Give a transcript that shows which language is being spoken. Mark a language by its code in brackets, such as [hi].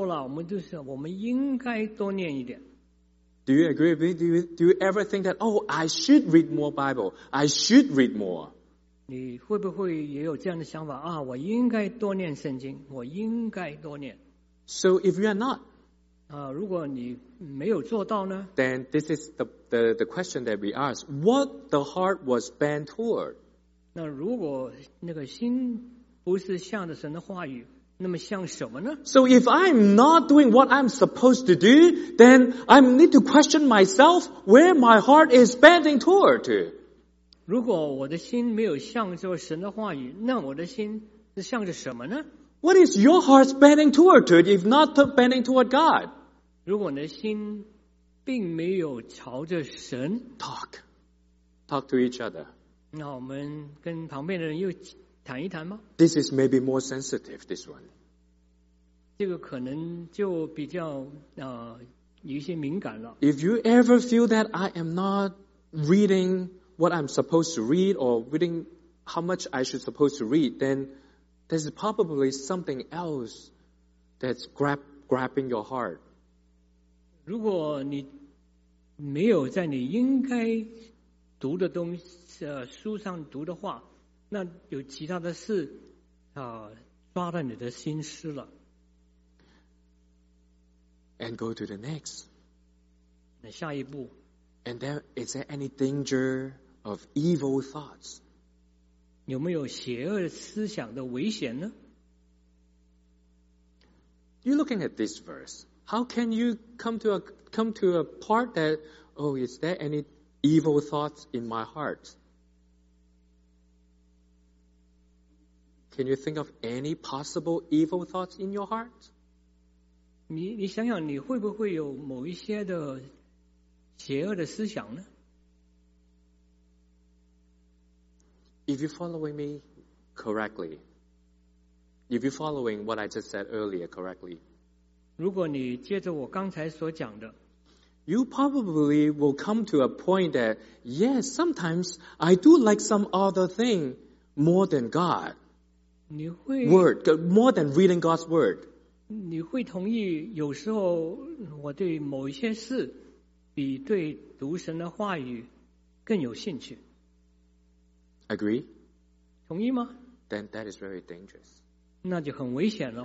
[zh] 大概你跟我差不多了，我们就是我们应该多念一点。 [en] Do you agree with me? Do you ever think that, oh, I should read more Bible? I should read more. [zh] 你会不会也有这样的想法啊？我应该多念圣经，我应该多念。 [en] So if you are not, [zh] 如果你没有做到呢? [en] Then this is the question that we ask. What the heart was bent toward? [zh] 那如果那个心不是向着神的话语，那么向什么呢? [en] So if I'm not doing what I'm supposed to do, then I need to question myself where my heart is bending toward to. [zh] 如果我的心没有向着神的话语，那我的心是向着什么呢? [en] What is your heart bending toward to if not bending toward God? [zh] 如果你的心并没有朝着神, [en] talk to each other. [zh] 那我们跟旁边的人又谈一谈吗? [en] This is maybe more sensitive, this one. [zh] 这个可能就比较有一些敏感了。 [en] If you ever feel that I am not reading what I'm supposed to read or reading how much I should supposed to read, then there's probably something else that's grabbing your heart. [zh] 如果你没有在你应该读的东西书上读的话，那有其他的事抓到你的心思了。 [en] And go to the next. [zh] 那下一步。 [en] And then, is there any danger of evil thoughts? [zh] 有没有邪恶思想的危险呢？ [en] You're looking at this verse. How can you come to a part that, oh, is there any evil thoughts in my heart? Can you think of any possible evil thoughts in your heart? [zh] 你想想，你会不会有某一些的邪恶的思想呢？ [en] If you're following me correctly, if you're following what I just said earlier correctly, [zh] 如果你接着我刚才所讲的， [en] you probably will come to a point that, yes, sometimes I do like some other thing more than God. [zh] 你会 [en] word, more than reading God's word. [zh] 你会同意有时候我对某一些事比对读神的话语更有兴趣。 [en] Agree? [zh] 同意吗？ [en] Then that is very dangerous. [zh] 那就很危险了。